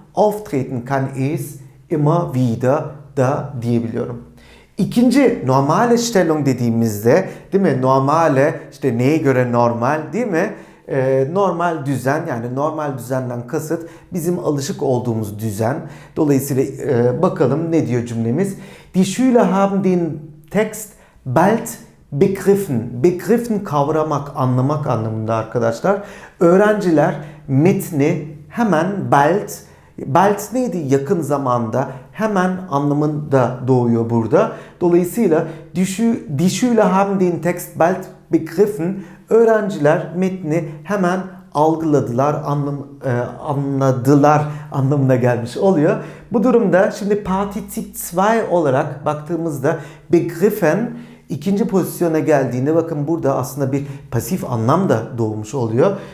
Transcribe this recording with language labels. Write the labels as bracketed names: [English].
[German] Auftreten kann es immer wieder [Turkish] da diyebiliyorum. İkinci normale Stellung dediğimizde, değil mi? Normale, işte neye göre normal, değil mi? Normal düzen, yani normal düzenden kasıt bizim alışık olduğumuz düzen. Dolayısıyla bakalım ne diyor cümlemiz? [German] Die Schüler haben den Text bald begriffen. [Turkish] Begriffen kavramak, anlamak anlamında arkadaşlar. Öğrenciler metni hemen bald. Bald neydi? Yakın zamanda. Hemen anlamında doğuyor burada. Dolayısıyla [German] die Schüler haben den Text bald begriffen. [Turkish] Öğrenciler metni hemen algıladılar, anladılar anlamına gelmiş oluyor. Bu durumda şimdi partizip 2 olarak baktığımızda begriffen ikinci pozisyona geldiğinde bakın burada aslında bir pasif anlam da doğmuş oluyor.